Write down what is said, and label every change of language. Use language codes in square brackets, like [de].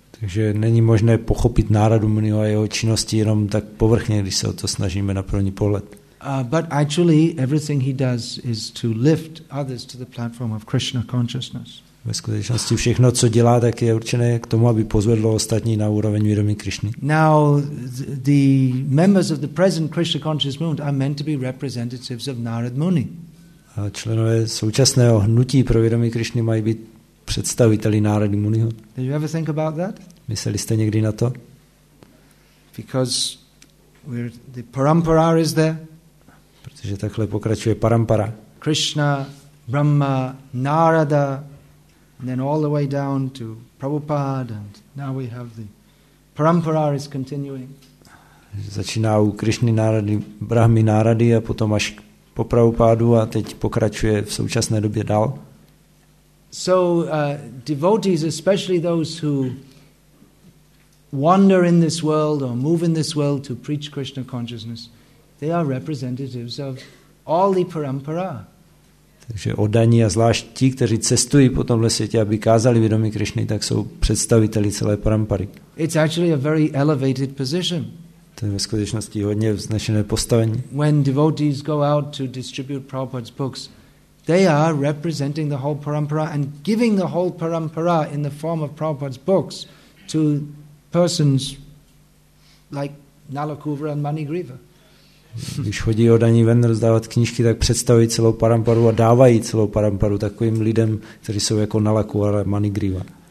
[cs] Takže není možné pochopit Narada Muniho a jeho činnosti jenom tak povrchně, když se o to snažíme na první pohled. [en] But actually everything he does is to lift others to the platform of Krishna consciousness. [cs] Ve skutečnosti všechno, co dělá, tak je určené k tomu, aby pozvedlo ostatní na úroveň vědomí Krishny. [en] Now the members of the present Krishna conscious movement are meant to be representatives of Narad Muni. [cs] A členové současného hnutí pro vědomí Krishny mají být představiteli Narada Muniho. [en] Did you ever think about that? [cs] Mysleli jste někdy na to? [en] Because the parampara is there. [cs] Protože takhle pokračuje parampara. [en] Krishna, Brahma, Narada, and then all the way down to Prabhupada, and now we have the parampara is continuing. [cs] Začíná u Krishny, Narady, Brahmy, Narady a potom až po Prabhupádu a teď pokračuje v současné době dál. [en] So devotees, especially those who wander in this world or move in this world to preach Krishna consciousness, they are representatives of all the parampara. [cs] Takže oddaní a zvlášť ti, kteří cestují po tomhle světě, aby kázali vědomí Krišny, tak jsou představiteli celé parampary. [en] It's actually a very elevated position. [cs] To je ve skutečnosti hodně vznešené postavení. [en] When devotees go out to distribute Prabhupada's books, they are representing the whole parampara and giving the whole parampara in the form of Prabhupada's books to persons like Nalukuvara and Manigriva. [cs] Když chodí o daní ven rozdávat knížky, tak představují celou paramparu a dávají celou paramparu takovým lidem, kteří jsou jako nalaku a manigriva.